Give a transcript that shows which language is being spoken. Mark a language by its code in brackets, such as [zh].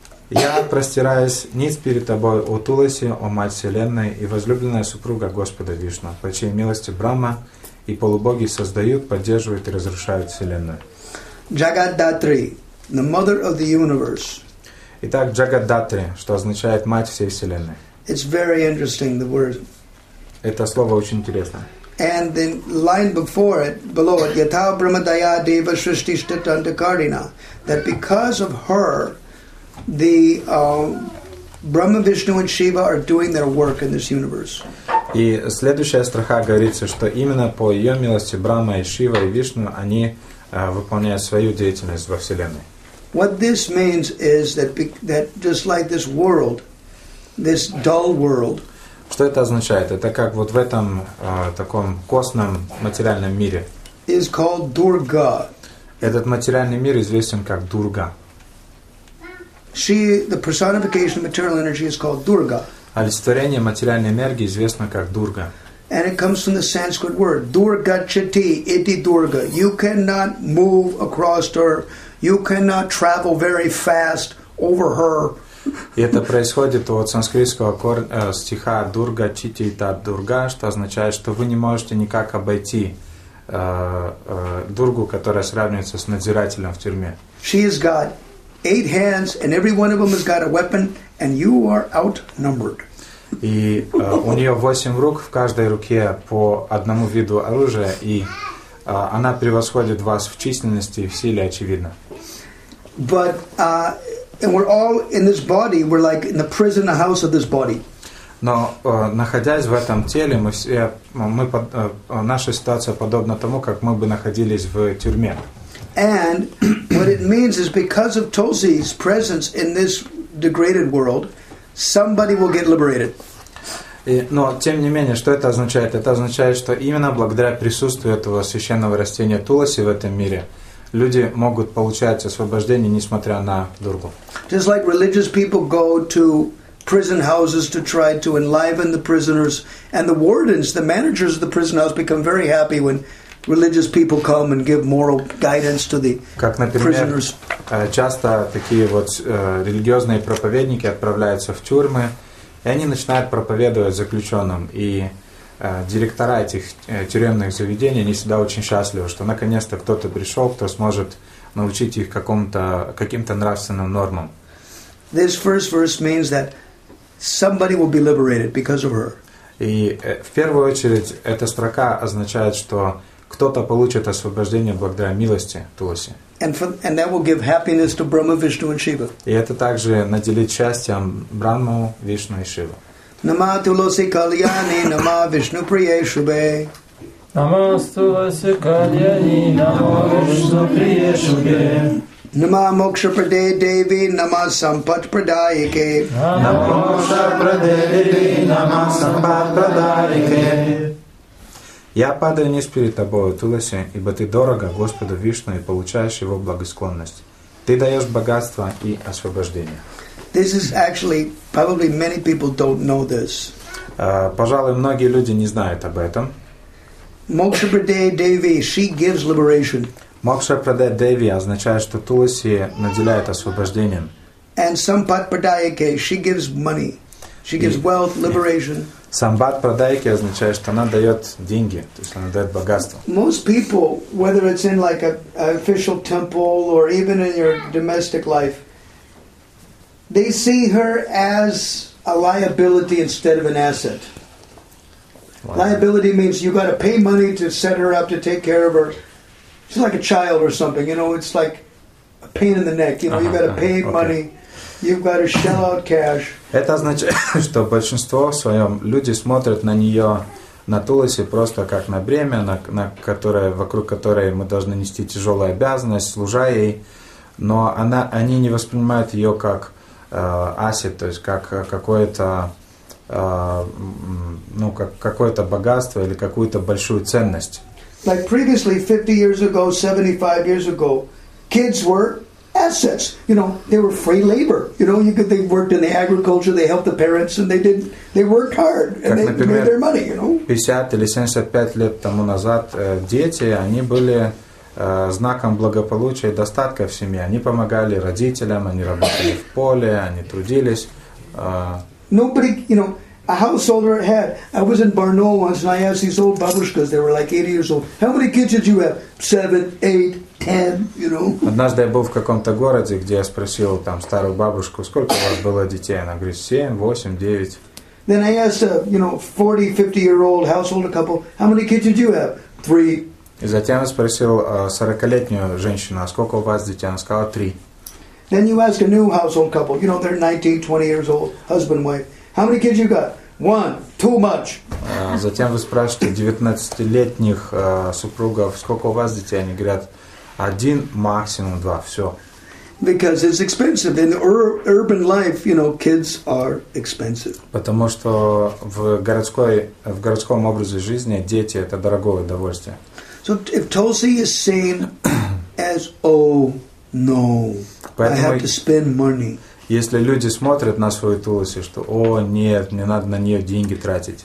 [ru] Я простираюсь ниц перед тобой, о Туласи, о Мать Вселенной и возлюбленная супруга Господа Вишну, по чьей милости Брахма и полубоги создают, поддерживают и разрушают Вселенную. [en] Jagadatri, the mother of the universe. [ru] Итак, Jagadatri, что означает мать всей Вселенной. [en] It's very interesting, the word. [ru] Это слово очень интересно. [en] And the line before it, below it, [sa] Yatha Brahmadaya Deva Shrishti Shtantakarina, [en] that because of her, the Brahma, Vishnu and Shiva are doing their work in this universe. [ru] И следующая строха говорится, что именно по ее милости Брахма и Шива и Вишну они выполняют свою деятельность во Вселенной. [en] What this means is that just like this world, this dull world. [ru] Что это означает? Это как вот в этом таком костном материальном мире. [en] Is called Durga. [ru] Этот материальный мир известен как Дурга. [en] She, the personification of material energy, is called Durga. [ru] Олицетворение материальной энергии известно как Дурга. [en] And it comes from the Sanskrit word [sa] Durga Chati Iti Durga. [en] You cannot move across her. You cannot travel very fast over her. [ru] Это происходит от санскритского стиха [sa] Дурга Чити Ита Дурга, [ru] что означает, что вы не можете никак обойти Дургу, которая сравнивается с надзирателем в тюрьме. [en] She has got 8 hands, and every one of them has got a weapon, and you are outnumbered. [ru] И у нее 8 рук, в каждой руке по одному виду оружия, и она превосходит вас в численности и в силе, очевидно. [en] But and we're all in this body, we're like in the prison, the house of this body. [ru] Но находясь в этом теле, наша ситуация подобна тому, как мы бы находились в тюрьме. [en] And what it means is because of Tulsi's presence in this degraded world, somebody will get liberated. [ru] Но тем не менее, что это означает? Это означает, что именно благодаря присутствию этого священного растения Туласи в этом мире, люди могут получать освобождение, несмотря на дургу. [en] Just like religious people go to prison houses to try to enliven the prisoners, and the wardens, the managers of the prison house, become very happy when religious people come and give moral guidance to the prisoners. [ru] Часто такие вот религиозные проповедники отправляются в тюрьмы, и они начинают проповедовать заключенным. И директора этих тюремных заведений, они всегда очень счастливы, что наконец-то кто-то пришел, кто сможет научить их каким-то нравственным нормам. [en] This first verse means that somebody will be liberated because of her. [ru] И в первую очередь эта строка означает, что кто-то получит освобождение благодаря милости Туласи. [en] And that will give happiness to Brahma, Vishnu, and Shiva. [ru] И это также наделит счастьем Брахму, Вишну и Шиву. [sa] Нама Туласи Кальяни, Нама Вишну Прие Шубе. Нама Туласи Кальяни, Нама Вишну Прие Шубе. Нама Мокша Праде Деви, Нама Сампат Прадайке. Нама Мокша Праде Деви, Нама Сампат Прадайке. [ru] Я падаю низ перед тобой, Туласи, ибо ты дорога Господу Вишну и получаешь его благосклонность. Ты даешь богатство и освобождение. [en] This is actually, probably many people don't know this. [ru] Пожалуй, многие люди не знают об этом. [sa] Moksha Pradeya Devi, [en] she gives liberation. [sa] Moksha Pradeya Devi [ru] означает, что Туласи наделяет освобождением. [en] And [sa] Sampat Pradayake, [en] she gives money. She gives wealth, liberation. [sa] Самбат Прадайки [ru] означает, что она дает деньги, то есть она дает богатство. [en] Most people, whether it's in like an official temple or even in your domestic life, they see her as a liability instead of an asset. Liability means you got to pay money to set her up, to take care of her. She's like a child or something, you know, it's like a pain in the neck, you know, you got to pay money. You've got to shell out cash. [ru] Это означает, что большинство в своем люди смотрят на нее, на Туласи, просто как на бремя, вокруг которой мы должны нести тяжелую обязанность, служа ей, но они не воспринимают ее как ассет, то есть как какое-то богатство или какую-то большую ценность. [en] Like previously, 50 years ago, 75 years ago, kids were assets, you know, they were free labor. You know, they worked in the agriculture, they helped the parents, and they worked hard, and they made their money. You know, [ru] 50 или 75 лет тому назад дети, они были знаком благополучия и достатка в семье. Они помогали родителям, они работали в поле, они трудились. [en] Nobody, you know, a householder had. I was in Barnaul once, and I asked these old babushkas. They were like 80 years old. How many kids did you have? 7, 8. [ru] Однажды я был в каком-то городе, где я спросил там старую бабушку, сколько у вас было детей. Она говорит, 7, 8, 9. [en] Then I asked a, you know, 40-50-year-old household couple, how many kids did you have? 3. [ru] И затем я спросил 40-летнюю женщину, а сколько у вас детей? Она сказала 3. [en] Then you ask a new household couple, you know, they're 19-20 years old, husband, wife, how many kids you got? 1. Too much. [ru] Затем вы спрашиваете 19-летних супругов, сколько у вас детей? Они говорят, 1, максимум 2, все. [en] Because it's expensive. In urban life, you know, kids are expensive. [ru] Потому что в городском образе жизни дети – это дорогое удовольствие. [en] So if Tulsi is seen as, oh, no, [ru] поэтому [en] I have to spend money. [ru] Если люди смотрят на свою Туласи, что, о, нет, мне надо на нее деньги тратить.